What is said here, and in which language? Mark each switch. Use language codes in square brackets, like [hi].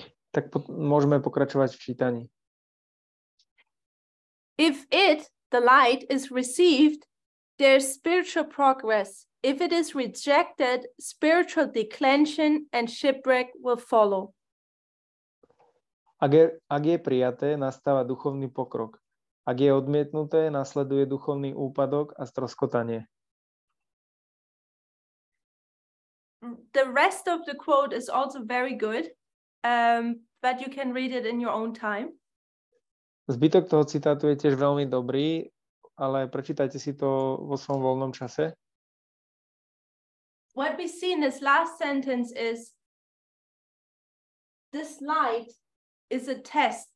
[sk] Tak môžeme pokračovať v čítaní. [en] If it, the light, is received, there's spiritual progress. If it is rejected, spiritual declension and shipwreck will follow. [sk] Ak je prijaté, nastáva duchovný pokrok. Ak je odmietnuté, nasleduje duchovný úpadok a stroskotanie. [en] The rest of the quote is also very good, but you can read it in your own time. [sk] Zbytok toho citátu je tiež veľmi dobrý, ale prečítajte si to vo svojom voľnom čase. [en] What we see in this last sentence is this light is a test.